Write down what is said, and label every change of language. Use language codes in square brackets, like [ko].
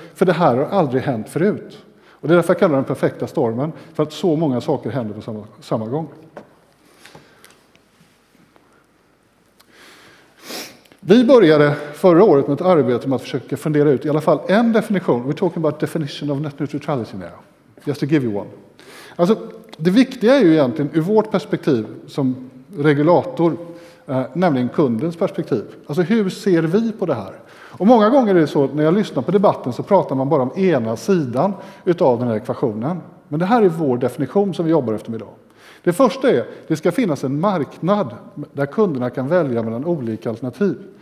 [sv] För det här har aldrig hänt förut. Och det är därför jag kallar den perfekta stormen. För att så många saker händer på samma gång. Vi började förra året med ett arbete med att försöka fundera ut i alla fall en definition. [en] We're talking about definition of net neutrality now. Just to give you one. [sv] Alltså, det viktiga är ju egentligen ur vårt perspektiv som regulator, nämligen kundens perspektiv. Alltså, hur ser vi på det här? Och många gånger är det så att när jag lyssnar på debatten så pratar man bara om ena sidan utav den här ekvationen. Men det här är vår definition som vi jobbar efter idag. Det första är att det ska finnas en marknad där kunderna kan välja mellan olika alternativ.